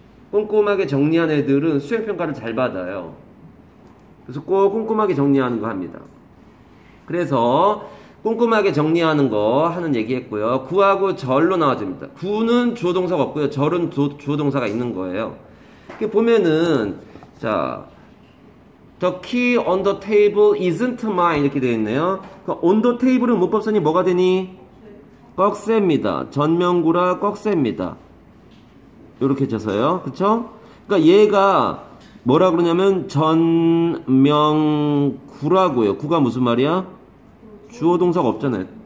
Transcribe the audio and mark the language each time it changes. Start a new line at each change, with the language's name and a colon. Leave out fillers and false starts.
Korean: 꼼꼼하게 정리한 애들은 수행평가를 잘 받아요. 그래서 꼭 꼼꼼하게 정리하는 거 합니다. 그래서 꼼꼼하게 정리하는 거 하는 얘기했고요. 구하고 절로 나와줍니다. 구는 주어동사가 없고요. 절은 주어동사가 있는 거예요. 이렇게 보면은 자
English: The key on the table isn't mine
Korean: 이렇게 되어 있네요. 그
English: on the table
Korean: 은 문법선이 뭐가 되니? 꺽쇠입니다. 전명구라 꺽쇠입니다. 이렇게 쳐서요. 그쵸? 그러니까 얘가 뭐라 그러냐면 전명구라고요. 구가 무슨 말이야? 주어 동사가 없잖아요.